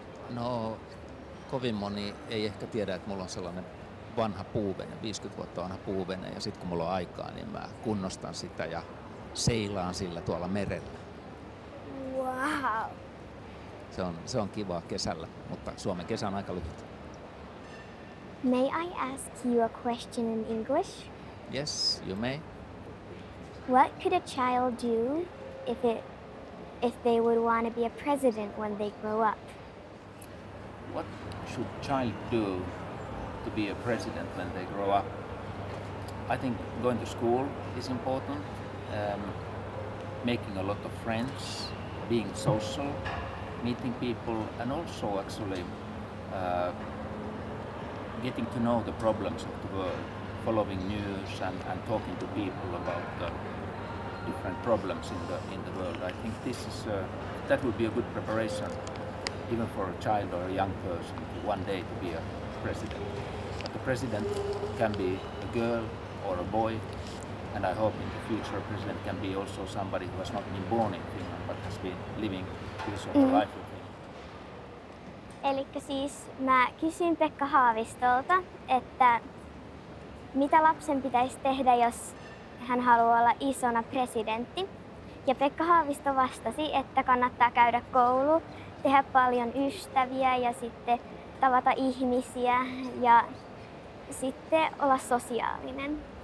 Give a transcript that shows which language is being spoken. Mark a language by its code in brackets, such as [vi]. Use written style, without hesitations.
[fi] No, kovin moni ei ehkä tiedä, että mulla on sellainen vanha puuvene, 50 vuotta vanha puuvene, ja sit kun mulla on aikaa, niin mä kunnostan sitä ja seilaan sillä tuolla merellä. [en] Wow. [fi] Se on kivaa kesällä, mutta Suomen kesä on aika lyhyt. [en] May I ask you a question in English? Yes, you may. What could a child do if they would want to be a president when they grow up? What should a child do to be a president when they grow up? I think going to school is important. Making a lot of friends, being social, meeting people, and also actually getting to know the problems of the world, following news and talking to people about the different problems in the world. I think this is that would be a good preparation even for a child or a young person one day to be a president. But the president can be a girl or a boy. And I hope in the future president can be also somebody who has not been born in Finland, but has been living his own life with him. [fi] Elikkä siis mä kysyin Pekka Haavistolta, että mitä lapsen pitäisi tehdä, jos hän haluaa olla isona presidentti. Ja Pekka Haavisto vastasi, että kannattaa käydä koulu, tehdä paljon ystäviä ja sitten tavata ihmisiä ja sitten olla sosiaalinen.